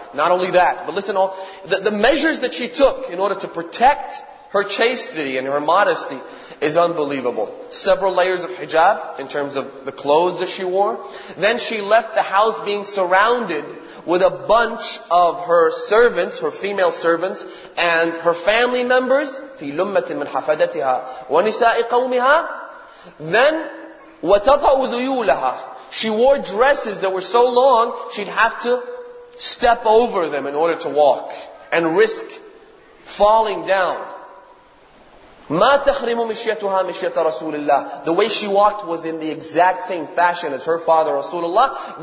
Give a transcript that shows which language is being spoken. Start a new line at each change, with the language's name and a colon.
English: Not only that, but listen, all the measures that she took in order to protect her chastity and her modesty is unbelievable. Several layers of hijab in terms of the clothes that she wore. Then she left the house being surrounded with a bunch of her servants, her female servants, and her family members.
Arabic: فِي لُمَّةٍ مِّنْ حَفَدَتِهَا وَنِسَاءِ قَوْمِهَا. Then, وَتَطَعُ ذُيُولَهَا.
English: She wore dresses that were so long, she'd have to step over them in order to walk and risk falling down.
Arabic: مَا تَخْرِمُ مِشْيَتُهَا مِشْيَةَ رَسُولِ اللَّهِ.
English: The way she walked was in the exact same fashion as her father Rasulullah.